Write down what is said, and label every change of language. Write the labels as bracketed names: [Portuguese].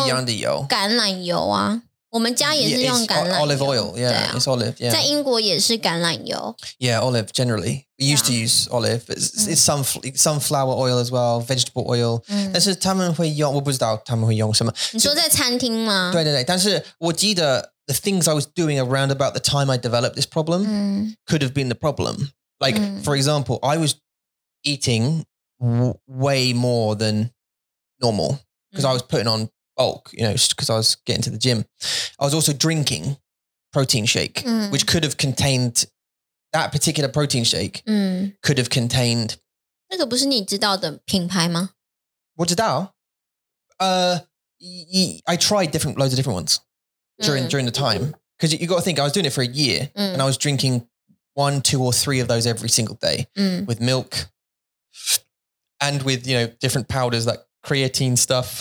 [Chinese] 不一样的油。橄榄油啊。我们家也是用橄榄油。 [English] Olive oil, yeah, it's olive, yeah. [Chinese] 在英国也是橄榄油。 [English] Yeah, olive, generally. We used to use olive. It's sunflower oil as well, vegetable oil. [Chinese] 但是他们会用，我不知道他们会用什么。你说在餐厅吗？对对对。但是我记得 [English] the things I was doing around about the time I developed this problem could have been the problem. Like, for example, I was eating way more than normal because I was putting on bulk, you know, because I was getting to the gym. I was also drinking protein shake, which could have containedThat particular protein shake could have contained. [Chinese] 那个不是你知道的品牌吗？我知道。 [English] I tried loads of different ones during the time. Because you've got to think, I was doing it for a year and I was drinking one, two or three of those every single day with milk and with, you know, different powders like creatine stuff.